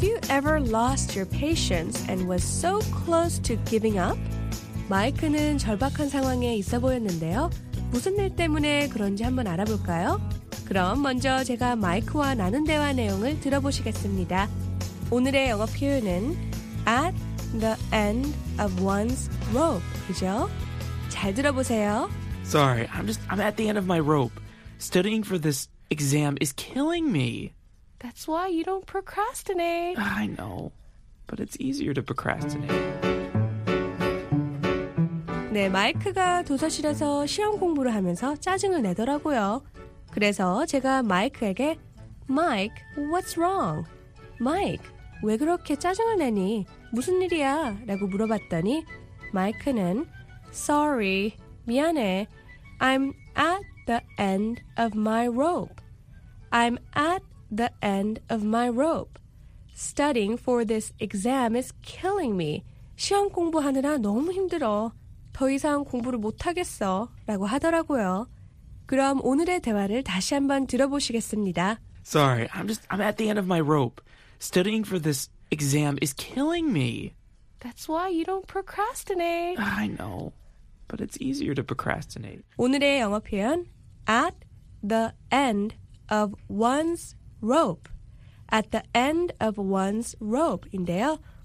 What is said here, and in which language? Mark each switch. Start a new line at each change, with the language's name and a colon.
English: Ever lost your patience and was so close to giving up?
Korean: 마이크는 절박한 상황에 있어 보였는데요. 무슨 일 때문에 그런지 한번 알아볼까요? 그럼 먼저 제가 마이크와 나눈 대화 내용을 들어보시겠습니다. 오늘의 영어 표현은
English: at the end of one's rope,
Korean: 그죠? 잘 들어보세요.
English: Sorry, I'm at the end of my rope. Studying for this exam is killing me. That's why you don't procrastinate. I know, but it's easier to procrastinate.
Korean: 네, 마이크가 도서실에서 시험 공부를 하면서 짜증을 내더라고요. 그래서 제가 마이크에게
English: Mike, what's wrong?
Korean: Mike, 왜 그렇게 짜증을 내니? 무슨 일이야? 라고 물어봤더니 마이크는
English: Sorry,
Korean: 미안해.
English: I'm at the end of my rope. I'm at the end of my rope. Studying for this exam is killing me.
Korean: 시험 공부하느라 너무 힘들어. 더 이상 공부를 못하겠어. 라고 하더라고요. 그럼 오늘의 대화를 다시 한번 들어보시겠습니다.
English: Sorry, I'm at the end of my rope. Studying for this exam is killing me. That's why you don't procrastinate. I know, but it's easier to procrastinate.
Korean: 오늘의 영어 표현,
English: at the end of one's rope,
Korean: at the end of one's rope인데요.